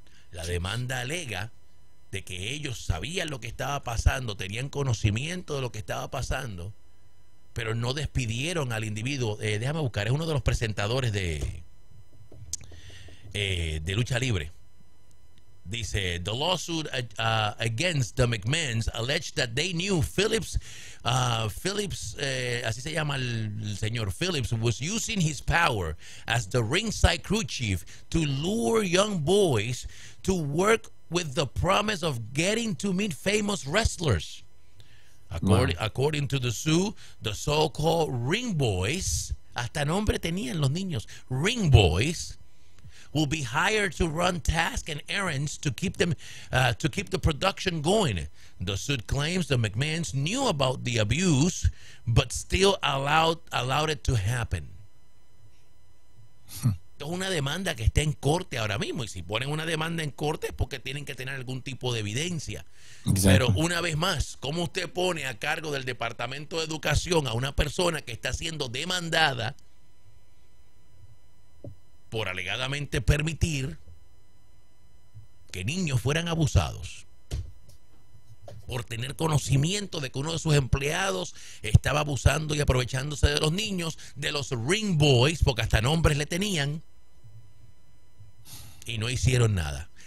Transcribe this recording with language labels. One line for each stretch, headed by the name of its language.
Spanish: La demanda alega de que ellos sabían lo que estaba pasando, tenían conocimiento de lo que estaba pasando, pero no despidieron al individuo. Déjame buscar, es uno de los presentadores de Lucha Libre.
English: Dice, the lawsuit against the McMahons alleged that they knew Phillips,
Spanish: así se llama el señor Phillips,
English: was using his power as the ringside crew chief to lure young boys to work with the promise of getting to meet famous wrestlers. According to the suit, the so-called ring boys,
Spanish: hasta nombre tenían los niños,
English: ring boys, will be hired to run tasks and errands to keep them to keep the production going. The suit claims the McMahons knew about the abuse, but still allowed it to happen.
Spanish: Es una demanda que está en corte ahora mismo, y si ponen una demanda en corte es porque tienen que tener algún tipo de evidencia. Exacto. Pero una vez más, ¿cómo usted pone a cargo del Departamento de Educación a una persona que está siendo demandada por alegadamente permitir que niños fueran abusados, por tener conocimiento de que uno de sus empleados estaba abusando y aprovechándose de los niños, de los ring boys, porque hasta nombres le tenían, y no hicieron nada?